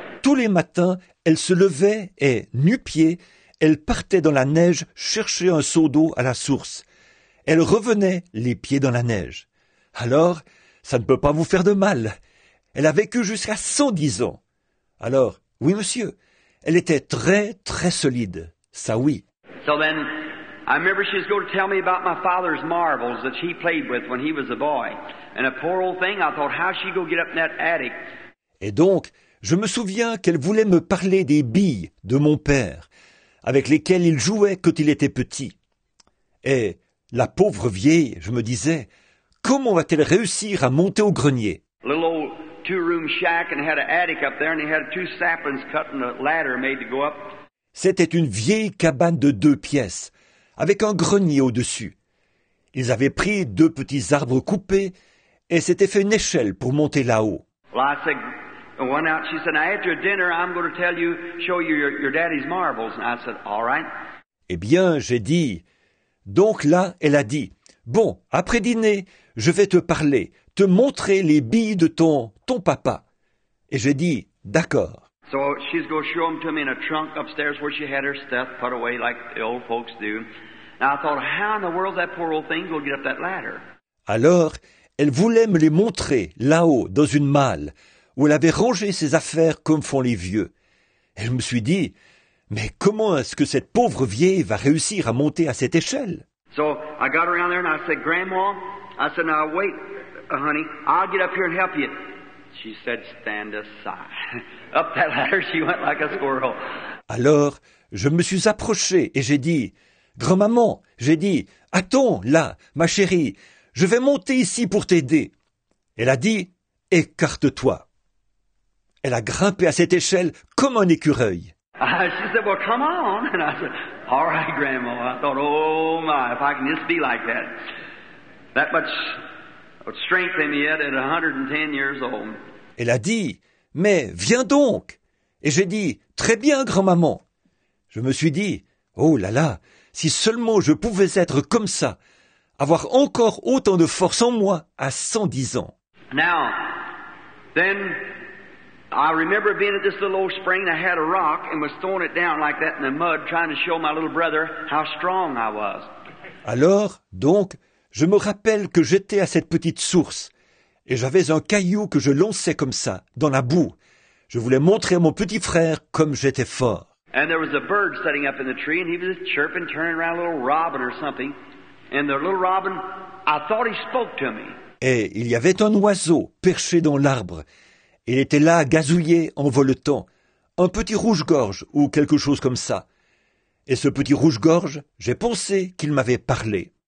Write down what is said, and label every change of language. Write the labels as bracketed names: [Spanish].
[French] Tous les matins, elle se levait et, nu-pied, elle partait dans la neige chercher un seau d'eau à la source. Elle revenait les pieds dans la neige. Alors, ça ne peut pas vous faire de mal. Elle a vécu jusqu'à 110 ans. Alors, oui, monsieur, elle était très, très solide. Ça, oui. [English] So then, I remember she was going to tell me about my father's marbles that he played with when he was a boy. And a poor old thing, I thought, how she go get up in that attic? [French] Et donc, je me souviens qu'elle voulait me parler des billes de mon père, avec lesquelles il jouait quand il était petit. Et la pauvre vieille, je me disais, comment va-t-elle réussir à monter au grenier? [English] Little old two-room shack and had an attic up there and he had two saplings cut in a ladder made to go up. [French] C'était une vieille cabane de 2 pièces, avec un grenier au-dessus. Ils avaient pris 2 petits arbres coupés et s'étaient fait une échelle pour monter là-haut. [English] Well, I said, I went out, she said, after dinner, I'm going to tell you, show you your daddy's marbles. And I said, all right. [French] Eh bien, j'ai dit, donc là, elle a dit, bon, après dîner, je vais te parler, te montrer les billes de ton papa. Et j'ai dit, d'accord. [English] So she's going to show them to me in a trunk upstairs where she had her stuff put away like the old folks do. And I thought, how in the world that poor old thing will get up that ladder? [French] Alors, elle voulait me les montrer là-haut, dans une malle, où elle avait rangé ses affaires comme font les vieux. Et je me suis dit, Mais comment est-ce que cette pauvre vieille va réussir à monter à cette échelle? [English] So I got around there and I said, Grandma, I said, now wait, honey, I'll get up here and help you. She said, stand aside. Up that ladder, she went like a squirrel. [French] Alors, je me suis approché et j'ai dit, grand-maman, j'ai dit, attends là, ma chérie, je vais monter ici pour t'aider. Elle a dit, écarte-toi. Elle a grimpé à cette échelle comme un écureuil. [English] She said, well, come on. And I said, all right, grandma. I thought, oh my, if I can just be like that. That much strength in me yet at 110 years old. [French] Elle a dit, mais viens donc. Et j'ai dit, très bien, grand-maman. Je me suis dit, oh là là, si seulement je pouvais être comme ça, avoir encore autant de force en moi à 110 ans. [English] Now, then, I remember being at this little old spring that had a rock and was throwing it down like that in the mud, trying to show my little brother how strong I was. [French] Alors, donc, je me rappelle que j'étais à cette petite source et j'avais un caillou que je lançais comme ça, dans la boue. Je voulais montrer à mon petit frère comme j'étais fort. [English] And there was a bird sitting up in the tree, and he was chirping, turning around, a little robin or something. And the little robin, I thought he spoke to me. [French] Et il y avait un oiseau perché dans l'arbre. Il était là, gazouillé, en voletant. Un petit rouge-gorge, ou quelque chose comme ça. Et ce petit rouge-gorge, j'ai pensé qu'il m'avait parlé.